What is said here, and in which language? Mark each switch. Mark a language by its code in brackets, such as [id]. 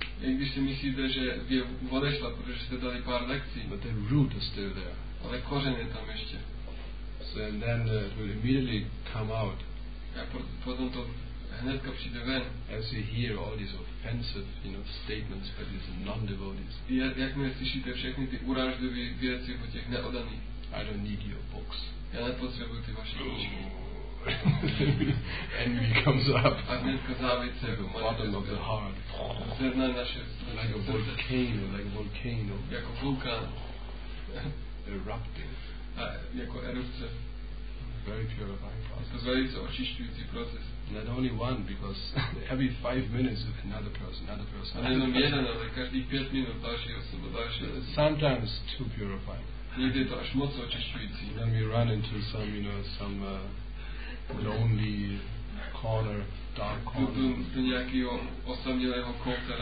[cs] i když si myslíte, že je odešla, protože jste dali pár lekcí, [en] but the root is still there. [cs] Ale kořen je tam ještě. [en] So and then it will immediately come out. [cs] A potom to hnedka přijde ven. [en] As you hear all these offensive, you know, statements by these non-devotees. [cs] Jakmile slyšíte všechny ty urážlivé věci o těch neodaných. [en] I don't need your books. [cs] Já nepotřebuji ty vaše knížky. [en] Envy comes up. [cs] A hnedka závist se [en] bottom of the heart. [cs] Zrna naše srdce. [en] Like a volcano. [cs] Jako vulkán. [en] Erupting. [cs] A jako erupce. [en] Very purifying process. [cs] To je velice očišťující proces. [en] Not only one, because every 5 minutes of another person. [cs] A nejenom jeden, ale každý 5 minut další osoba, další. [en] Sometimes too purifying. [cs] Někdy to až moc očišťující. [en] Then we run into some, you know, some lonely corner, dark corner. [cs] Do nějakého osamělého kouta.